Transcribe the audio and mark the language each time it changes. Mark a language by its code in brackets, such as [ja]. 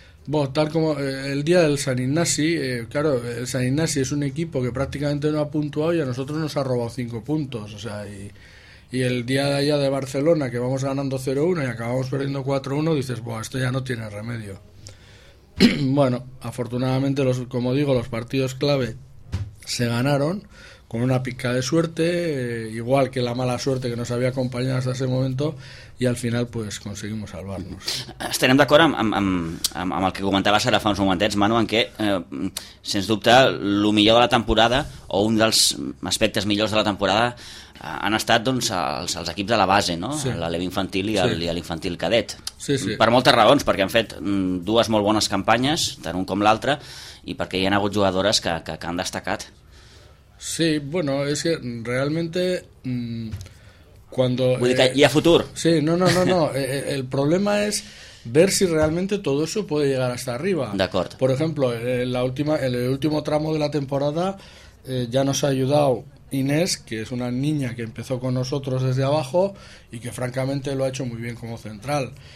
[es] Bueno, tal como el día del San Ignasi, claro, el San Ignasi es un equipo que prácticamente no ha puntuado y a nosotros nos ha robado 5 puntos, o sea, y el día de allá de Barcelona, que vamos ganando 0-1 y acabamos perdiendo 4-1, dices, bueno, esto ya no tiene remedio. Bueno, afortunadamente, como digo, los partidos clave se ganaron con una pizca de suerte, igual que la mala suerte que nos había acompañado hasta ese momento, y al final pues conseguimos salvarnos. [ca] Estarem d'acord amb el que comentaves ara fa uns momentets, Manu, en què, sens dubte, el millor de la temporada o un dels aspectes millors de la temporada han estat doncs els equips de la base, no? Sí. L'Alevi Infantil i l'Infantil Cadet. Sí, sí. Per moltes raons, perquè han fet dues molt bones campanyes, tant un com l'altre, i perquè hi ha hagut jugadores que han destacat. [es] Sí, bueno, es que realmente cuando... ¿Y a futuro? Sí, no. El problema es ver si realmente todo eso puede llegar hasta arriba. De acuerdo. Por ejemplo, el último tramo de la temporada ya nos ha ayudado Inés, que es una niña que empezó con nosotros desde abajo y que francamente lo ha hecho muy bien como central.